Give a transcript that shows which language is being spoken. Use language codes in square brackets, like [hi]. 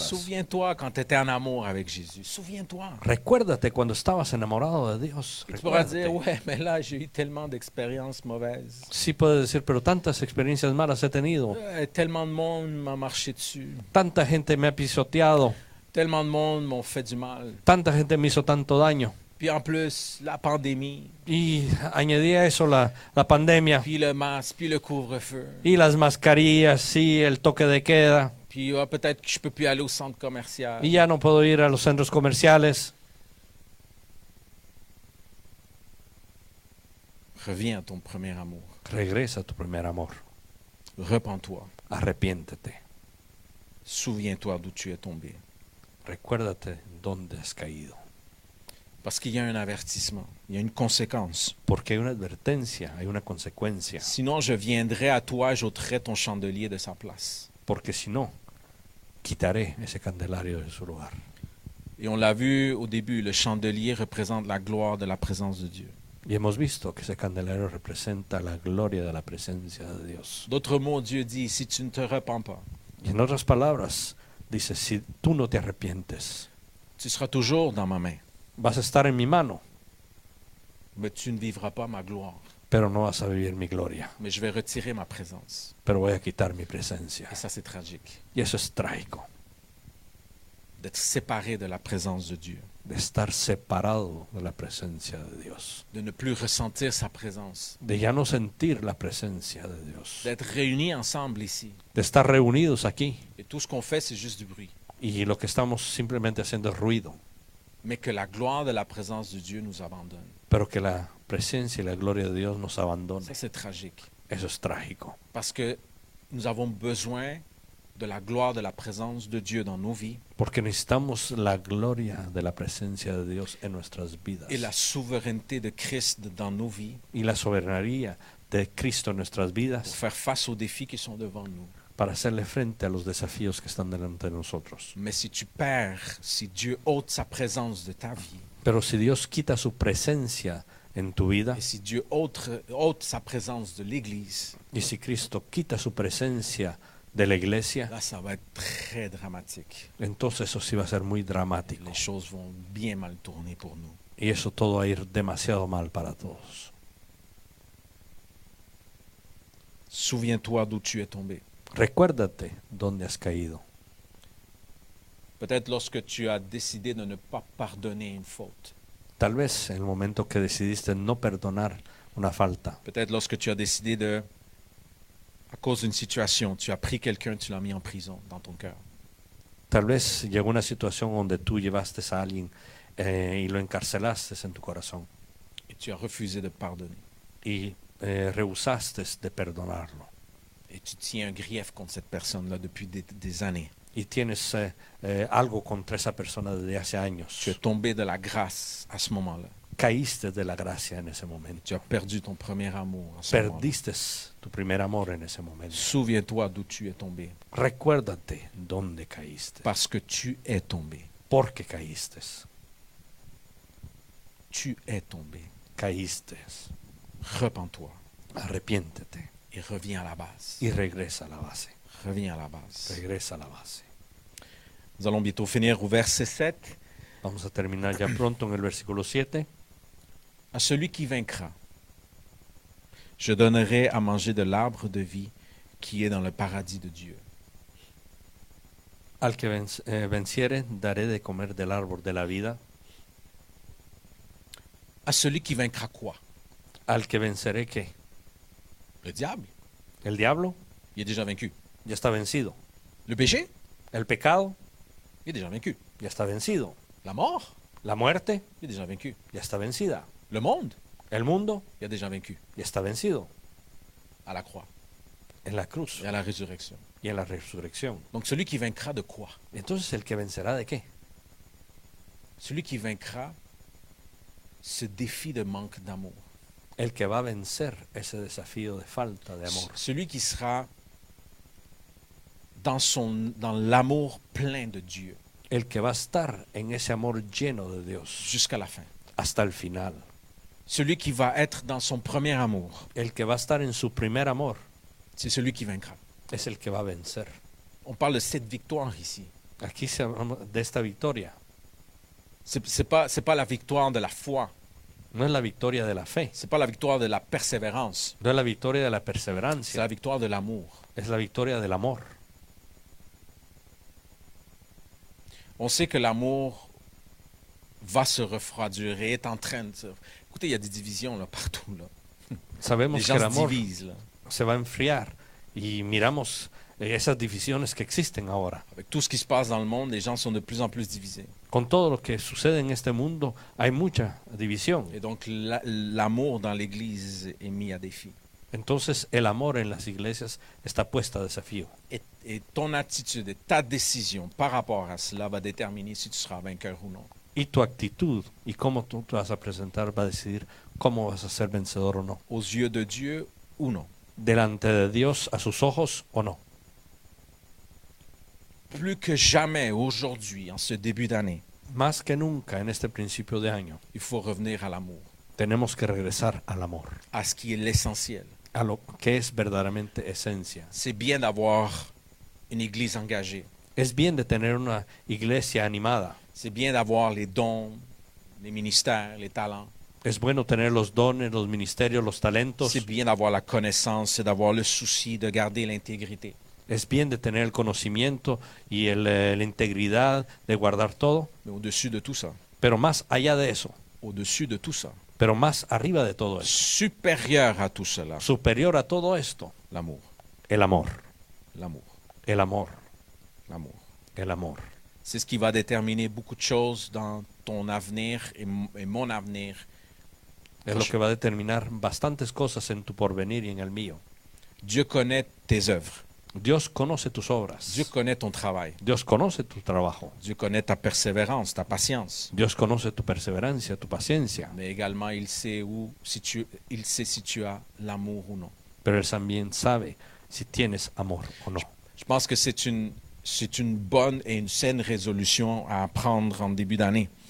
[fr] Souviens-toi quand tu étais en amour avec Jésus. Souviens-toi. [es] Recuérdate cuando estabas enamorado de Dios. [fr] Tu pourras dire, ouais, mais là j'ai eu tellement d'expériences mauvaises. [es] Sí, puedes decir, pero tantas experiencias malas he tenido. [fr] Tellement de monde m'a marché dessus. [es] Tanta gente me ha pisoteado. [fr] Tellement de monde m'ont fait du mal. [es] Tanta gente me hizo tanto daño. [fr] Puis en plus, la pandémie. [es] Y añadí a eso la pandemia. [fr] Puis le masque, puis le couvre-feu. [es] Y las mascarillas, sí, el toque de queda. [fr] Puis ouais, peut-être que je peux plus aller au centre commercial. [es] Y ya no puedo ir a los centros comerciales. [fr] Reviens à ton premier amour. [es] Regresa a tu primer amor. [fr] Repens-toi. [es] Arrepiéntete. [fr] Souviens-toi d'où tu es tombé. [es] Recuérdate dónde has caído. [fr] Parce qu'il y a un avertissement, il y a une conséquence. [es] Porque hay una advertencia, hay una consecuencia. [fr] Sinon, je viendrai à toi, j'ôterai ton chandelier de sa place. [es] Porque sinon, quitaré ese candelario de su lugar. [fr] Et on l'a vu au début, le chandelier représente la gloire de la présence de Dieu. [es] Y hemos visto que ese candelario representa la gloria de la presencia de Dios. [fr] D'autres mots, Dieu dit, si tu ne te repens pas. [es] Y en otras palabras, dice, si tú no te arrepientes. [fr] Tu seras toujours dans ma main. [es] Vas a estar en mi mano. [fr] Mais tu ne vivras pas ma gloire. [es] Pero no vas a vivir mi gloria. [fr] Mais je vais retirer ma présence. [es] Pero voy a quitar mi presencia. [fr] Et ça, c'est tragique. [es] Y eso es trágico. [fr] D'être séparé de la présence de Dieu. [es] De estar separado de la presencia de Dios. [fr] De ne plus ressentir sa présence. [es] De ya no sentir la presencia de Dios. [fr] D'être réunis ensemble ici. [es] De estar reunidos aquí. [fr] Et tout ce qu'on fait, c'est juste du bruit. [es] Y lo que estamos simplemente haciendo es ruido. [fr] Mais que la gloire de la présence de Dieu nous abandonne. [es] Pero que la presencia y la gloria de Dios nos abandone. [fr] Ça, c'est tragique. [es] Eso es trágico. [fr] Parce que nous avons besoin de la gloire de la présence de Dieu dans nos vies. [es] Porque necesitamos la gloria de la presencia de Dios en nuestras vidas. [fr] Et la souveraineté de Christ dans nos vies. [es] Y la soberanía de Cristo en nuestras vidas. [fr] Pour faire face aux défis qui sont devant nous. [es] Para hacerle frente a los desafíos que están delante de nosotros. [fr] Mais si tu perds, si Dieu ôte sa présence de ta vie. [es] Pero si Dios quita su presencia en tu vida. [fr] Et si Dieu ôte sa présence de l'église. [es] Y si Cristo quita su presencia de la iglesia. [fr] Là, ça va être très dramatique. [es] Entonces eso sí va a ser muy dramático. [fr] Les choses vont bien mal tourner pour nous. [es] Y eso todo va a ir demasiado mal para todos. [fr] Souviens-toi d'où tu es tombé. [es] Recuérdate dónde has caído. [fr] Peut-être lorsque tu as décidé de ne pas pardonner une faute. [es] Tal vez en el momento que decidiste no perdonar una falta. [fr] Peut-être lorsque tu as décidé de à cause d'une situation, tu as pris quelqu'un, tu l'as mis en prison dans ton cœur. [es] Tal vez llegó una situación donde tú llevaste a alguien y lo encarcelaste en tu corazón. [fr] Et tu as refusé de pardonner. [es] Y rehusaste de perdonarlo. [fr] Et tu tiens un grief contre cette personne-là depuis des années. [es] Y tienes algo contra esa persona desde hace años. [fr] Tu es tombé de la grâce à ce moment-là. [es] Caíste de la gracia en ese momento. [fr] Tu as perdu ton premier amour. [es] Perdiste tu primer amor en ese momento. [fr] Souviens-toi d'où tu es tombé. [es] Recuérdate dónde caíste. [fr] Parce que tu es tombé. [es] Porque caíste. [fr] Tu es tombé. [es] Caíste. [fr] Repens-toi. [es] Arrepiéntete. [fr] Et reviens à la base. [es] Y regresa a la base. [fr] Reviens à la base. [es] Regresa a la base. [fr] Nous allons bientôt finir au verset 7. [es] Vamos a terminar ya pronto en el versículo 7. [fr] À celui qui vaincra, je donnerai à manger de l'arbre de vie qui est dans le paradis de Dieu. [es] Al que venciere, daré de comer del árbol de la vida. [fr] À celui qui vaincra quoi? [es] Al que venceré qué? [fr] Le diable. [es] El diablo. [fr] Il est déjà vaincu. [es] Ya está vencido. [fr] Le péché. [es] El pecado. [fr] Il est déjà vaincu. [es] Ya está vencido. [fr] La mort. [es] La muerte. [fr] Il est déjà vaincu. [es] Ya está vencida. [fr] Le monde. [es] El mundo. [fr] Il est déjà vaincu. [es] Ya está vencido. [fr] À la croix. [es] En la cruz. [fr] Et à la résurrection. [es] Y en la resurrección. [fr] Donc celui qui vaincra de quoi? [es] Entonces el que vencerá de qué? [fr] Celui qui vaincra ce défi de manque d'amour. [es] El que va a vencer ese desafío de falta de amor. [fr] Celui qui sera dans l'amour plein de Dieu. [es] El que va a estar en ese amor lleno de Dios. [fr] Jusqu'à la fin. [es] Hasta el final. [fr] Celui qui va être dans son premier amour. [es] El que va a estar en su primer amor. [fr] C'est celui qui vaincra. [es] Es el que va a vencer. [fr] On parle de cette victoire ici. [es] Aquí se habla de esta victoria. [fr] C'est pas la victoire de la foi. [es] No es la victoria de la fe. [fr] C'est pas la victoire de la persévérance. [es] No es la victoria de la perseverancia. [fr] C'est la victoire de l'amour. [es] Es la victoria del amor. [fr] On sait que l'amour va se refroidir et est en train de. Écoutez, il y a des divisions là partout là. [es] Sabemos que l'amour se va enfriar y miramos esas divisiones que existen ahora. [fr] Avec tout ce qui se passe dans le monde, les gens sont de plus en plus divisés. [es] Con todo lo que sucede en este mundo, hay mucha división. [fr] Et donc l'amour dans l'église est mis à défi. [es] Entonces el amor en las iglesias está puesto a desafío. [fr] Et ton attitude et ta décision par rapport à cela va déterminer si tu seras vainqueur ou non. [es] Y tu actitud y cómo tú te vas a presentar va a decidir cómo vas a ser vencedor o no. [fr] Aux yeux de Dieu ou non. [es] Delante de Dios a sus ojos o no. [fr] Plus que jamais aujourd'hui en ce début d'année. [es] Más que nunca en este principio de año. [fr] Il faut revenir à l'amour. [es] Tenemos que regresar al amor. [fr] À ce qui est l'essentiel. [es] A lo que es verdaderamente esencia. [fr] C'est bien d'avoir une église engagée. [es] Es bien de tener una iglesia animada. [fr] C'est bien d'avoir les dons, les ministères, les talents. [es] Es bueno tener los dones, los ministerios, los talentos. [fr] C'est bien d'avoir la connaissance et d'avoir le souci de garder l'intégrité. [es] Es bien de tener el conocimiento y la integridad de guardar todo. [fr] Mais au-dessus de tout ça. [es] Pero más allá de eso. [fr] Au-dessus de tout ça. [es] Pero más arriba de todo eso. [fr] Supérieur à tout cela. [es] Superior a todo esto. [fr] L'amour. [es] El amor. [fr] L'amour. [es] El amor. [fr] L'amour. [es] El amor. [fr] C'est ce qui va déterminer beaucoup de choses dans ton avenir et mon avenir. [es] Es lo que va a determinar bastantes cosas en tu porvenir y en el mío. [fr] Dieu connaît tes œuvres. [es] Dios conoce tus obras. [fr] Dieu connaît ton travail. [es] Dios conoce tu trabajo. [fr] Dieu connaît ta persévérance, ta patience. [es] Dios conoce tu perseverancia, tu paciencia. [fr] Mais également il sait où si tu il sait si tu as l'amour ou non. [es] Pero él también sabe si tienes amor o no. [fr] Je pense que c'est une bonne et une saine résolution à prendre en début d'année.